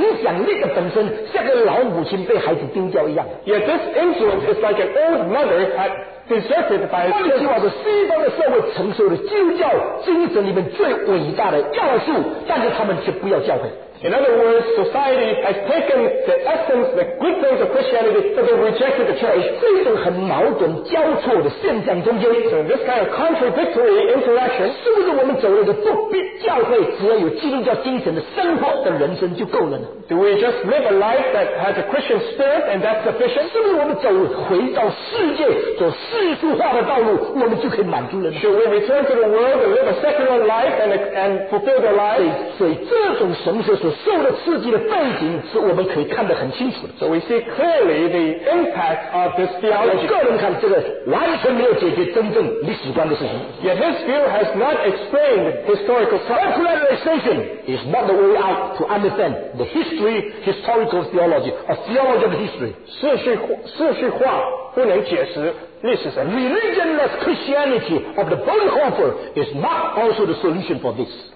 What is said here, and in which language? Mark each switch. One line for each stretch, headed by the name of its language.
English: Yet this influence is like an old mother had deserted by his children. In other words, society has taken the essence, the good things of Christianity, but they rejected the church.
Chinese: 这种很矛盾交错的现象中间,
English: so in this kind of contradictory interaction,
Chinese: 是不是我们走了一个不必教会只要有基督教精神的生活的人生就够了呢?
English: Do we just live a life that has a Christian spirit and that's sufficient?
Chinese: 是不是我们走回到世界所世俗化的道路我们就可以满足了呢?
English: Should we return to the world and live a secular life and fulfill their lives?
Chinese: 所以这种神学所 受的刺激的背景是我们可以看得很清楚的。
English: So we see clearly the impact of this theology.
Chinese: 我个人看这个完全没有解决真正历史观的事情。
English: Yet his view has not explained historical secularization is not the way out to understand the history, historical theology, a theology of history.
Chinese: 世世化不能解释。
English: Religionless Christianity of the Bonhoeffer is not also the solution for this.